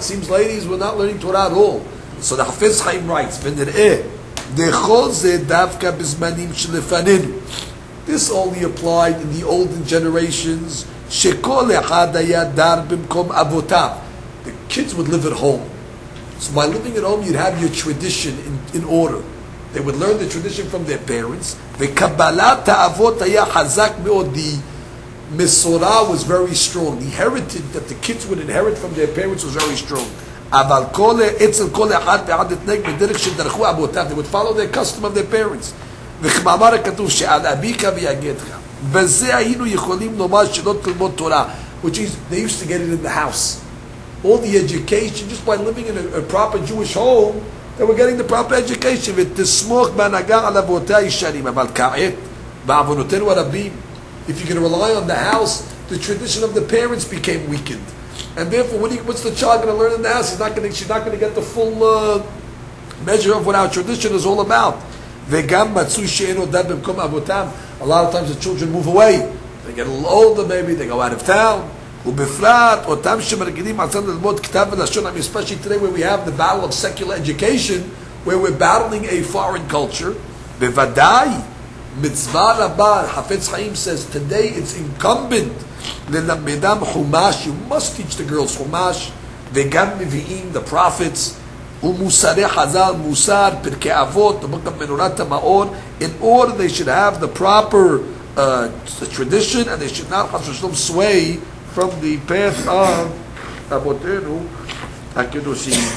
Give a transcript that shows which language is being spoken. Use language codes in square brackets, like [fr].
[en] It seems ladies were not learning Torah at all. So the Hafetz Chaim writes, [he] "V'nir'eh dechol ze davka bizmanim shelefaninu." [en] This only applied in the olden generations. [he] Shekol echad haya dar bimkom avotav. [en] The kids would live at home. So by living at home, you'd have your tradition in order. They would learn the tradition from their parents. [he] וקבלת האבות היה חזק מאוד. [en] The מסורה was very strong. The heritage that the kids would inherit from their parents was very strong. [he] אבל כל אצל כל אחד ועד התנהג בדרך שדרכו אבותיו. [en] They would follow the custom of their parents. [he] וכמאמר הכתוב שעל אביך ויגדך. וזה היינו יכולים לומר שלא תלמוד תורה. [en] Which is, they used to get it in the house. All the education, just by living in a proper Jewish home, they were getting the proper education. [he] ותסמוך בהנהגה על אבותי הישנים. אבל כעת, בעוונותינו הרבים, [en] if you can rely on the house, the tradition of the parents became weakened. And therefore, what's the child going to learn in the house? She's not going to get the full measure of what our tradition is all about. [he] וגם מצאו שאין עודד במקום אבותם. [en] A lot of times the children move away. They get a little older maybe, they go out of town. [he] ובפרט, אותם שמרגילים עצם ללמוד כתב ולשון, [en] especially today where we have the battle of secular education, where we're battling a foreign culture, בוודאי, [he] מצווה רבה, [en] חפץ חיים says, today it's incumbent ללמדם חומש, you must teach the girls חומש, וגם מביאים the prophets, ומוסרי חזל, מוסר, פרקי אבות, דמוק המנורת המאור, in order they should have the proper tradition, and they should not have to sway from the path of Abotenu HaKedoshim.